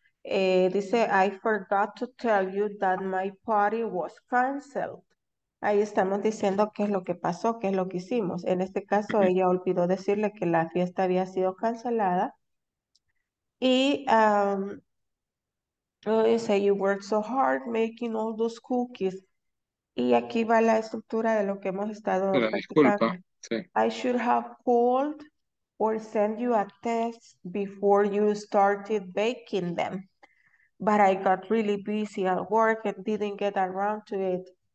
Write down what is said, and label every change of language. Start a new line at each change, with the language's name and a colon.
Spanish: Dice,
English: I forgot to tell you that my party was canceled.
Spanish: Ahí estamos diciendo qué es lo que pasó, qué es lo que hicimos. En este caso, ella olvidó decirle que la fiesta había sido cancelada. Y dice,
English: you worked so hard making all those cookies.
Spanish: Y aquí va la estructura de lo que hemos estado la practicando. Disculpa, sí.
English: I should have called or sent you a text before you started baking them. But I got really busy at work and didn't get around to it.